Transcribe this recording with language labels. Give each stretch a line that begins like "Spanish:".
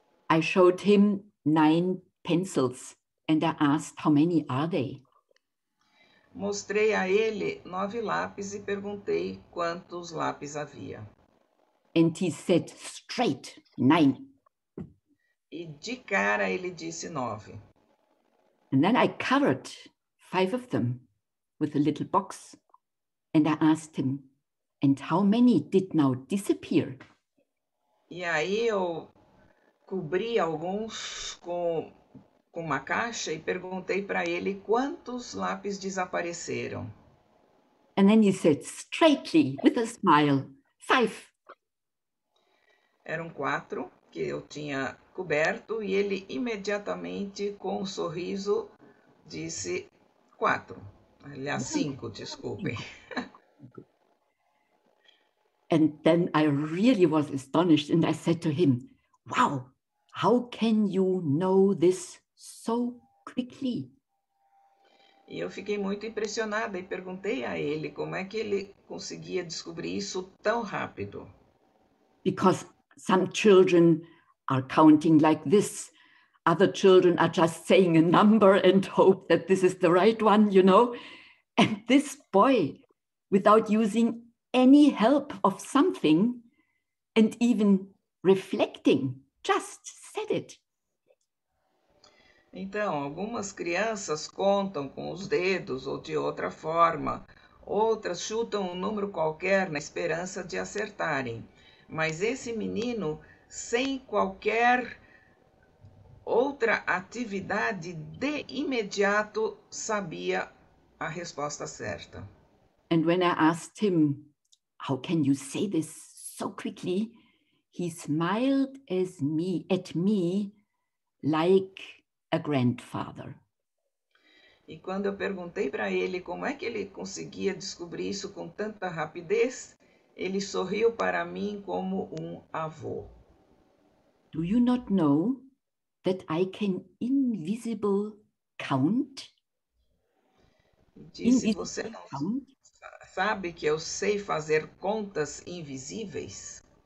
English: I showed him 9 pencils and I asked how many are they?
Portuguese: Mostrei a ele 9 lápis e perguntei quantos lápis havia.
English: And he said straight, 9.
Portuguese: E de cara ele disse 9.
English: And then I covered 5 of them with a little box. And I asked him, and how many did now disappear?
Portuguese: E aí eu cobri alguns com uma caixa e perguntei para ele quantos lápis desapareceram.
English: And then he said, straightly, with a smile, 5.
Portuguese: Eram 4 que eu tinha coberto e ele imediatamente, com um sorriso, disse 4. Aliás, 5, desculpe.
English: And then I really was astonished and I said to him, wow, how can you know this so quickly?
Portuguese: E eu fiquei muito impressionada e perguntei a ele como é que ele conseguia descobrir isso tão rápido.
English: Because some children are counting like this. Other children are just saying a number and hope that this is the right one, you know? And this boy, without using any help of something and even reflecting, just said it.
Portuguese: Então, algumas crianças contam com os dedos ou de outra forma. Outras chutam um número qualquer na esperança de acertarem. Mas esse menino, sem qualquer outra atividade, de imediato sabia a resposta certa.
English: And when I asked him, how can you say this so quickly? He smiled at me like a grandfather.
Portuguese: E quando eu perguntei para ele como é que ele conseguia descobrir isso com tanta rapidez, ele sorriu para mim como um avô.
English: Do you not know that I can invisible count?
Portuguese: Disse, você não sabe que eu sei fazer contas invisíveis?